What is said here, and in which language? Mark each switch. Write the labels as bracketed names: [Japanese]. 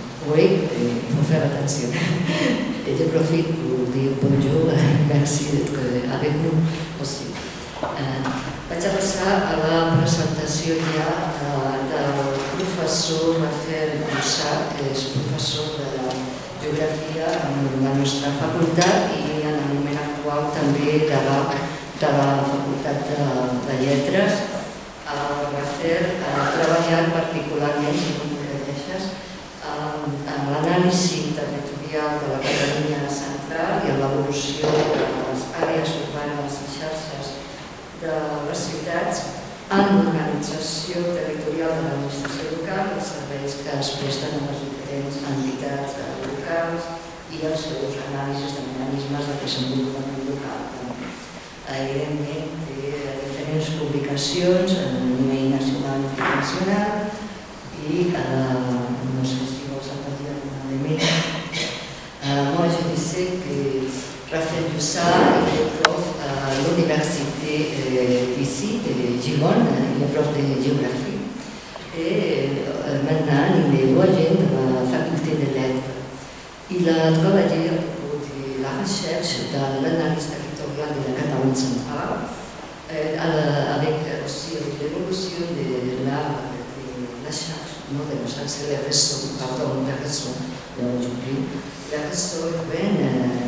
[French] Oui, il faut faire attention. Et je profite pour dire bonjour et merci d'être avec nous aussi. [Catalan] Vaig a passar a la presentació ja del professor Rafael Cossà, que és professor de Geografia en la nostra facultat i en el moment actual també de la Facultat de Lletres. El Rafael ha treballat particularment, si no m'ho creixes, en l'anàlisi territorial de la Catalunya Central i en l'evolució de les àrees urbanes i xarxes de les ciutats en l'organització territorial de l'administració local, els serveis que es presten a les diferents entitats locals i els seus anàlisis de mecanismes de desenvolupament local. Evidentment, té diferents publicacions a nivell nacional i internacional i no sé si vols afegir alguna de més. [French] Moi, je disais que Rafael Cossà est le prof à l'université d'ici, de Gironde, il est prof de géographie. Et maintenant, il est doyen de la faculté de lettres. Il a travaillé à propos de la recherche dans l'analyse territoriale de la Catalogne centrale, avec aussi l'évolution de la charge, non, de la charge, c'est le réseau, pardon, le réseau d'aujourd'hui, le réseau urbain.